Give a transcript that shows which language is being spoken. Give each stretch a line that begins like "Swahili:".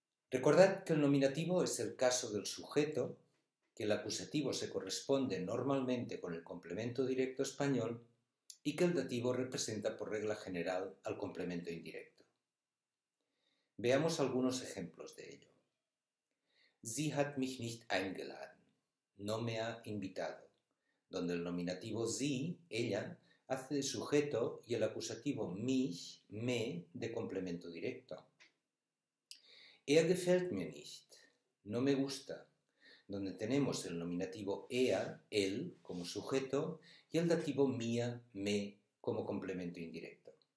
Spanish: Recordad que el nominativo es el caso del sujeto, que el acusativo se corresponde normalmente con el complemento directo español y que el dativo representa por regla general al complemento indirecto. Veamos algunos ejemplos de ello.
German: Sie hat mich nicht eingeladen.
Spanish: No me ha invitado. Donde el nominativo sie, ella, hace de sujeto y el acusativo mich, me, de complemento directo.
German: Er gefällt mir nicht.
Spanish: No me gusta. Donde tenemos el nominativo er, él, como sujeto y el dativo mir, me, como complemento indirecto.